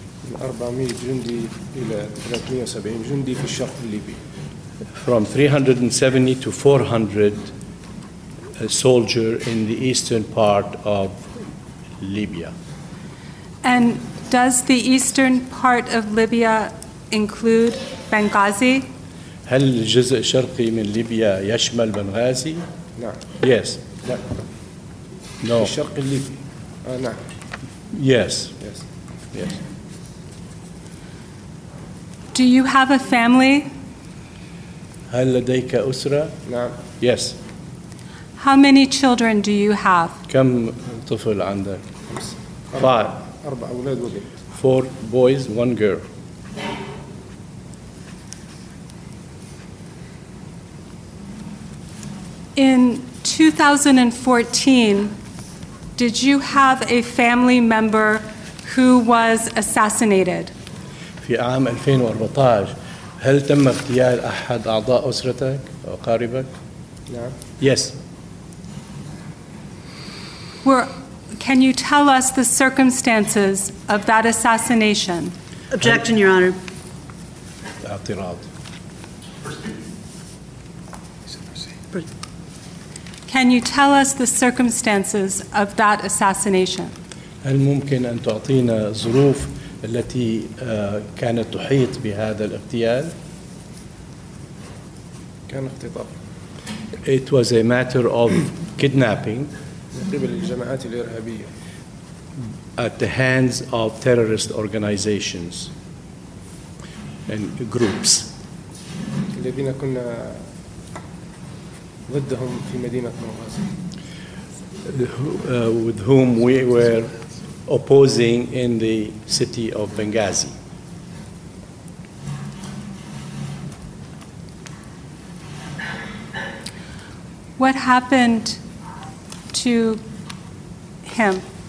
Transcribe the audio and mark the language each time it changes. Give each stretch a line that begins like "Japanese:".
Arabic: من 400 جندي إلى 370 جندي في الشرق الليبي.
English: From 370 to 400 soldiers in the eastern part of Libya. And does the eastern part of Libya include Benghazi?
Arabic: هل الجزء الشرقي من ليبيا يشمل بنغازي؟ نعم.
English: Yes.
Arabic: نعم.
English: No.
Arabic: في الشرق الليبي. نعم.
English: Yes. Yes. Yes. Do you have a family?
Arabic: هل لديك أسرة؟ نعم.
English: Yes. How many children do you have?
Arabic: كم طفل عندك؟ Five. أربع أولاد وبنت.
English: Four boys, one girl. In 2014, did you have a family member who was assassinated?
Arabic: في عام 2014 هل تم اغتيال أحد أعضاء أسرتك أو قاربك؟ نعم.
English: Yes. Were, can you tell us the circumstances of that assassination? Objection, Your Honor.
Arabic: اعتراض.
English: Can you tell us the circumstances of that assassination?
Arabic: هل ممكن أن تعطينا ظروف التي كانت تحيط بهذا الاغتيال؟ كان اغتطاف.
English: It was a matter of kidnapping.
Arabic: من قبل الجماعات الإرهابية.
English: At the hands of terrorist organizations and groups.
Arabic: الذين كنا ضدهم في مدينة بنغازي.
English: With whom we were opposing in the city of Benghazi. What happened to him?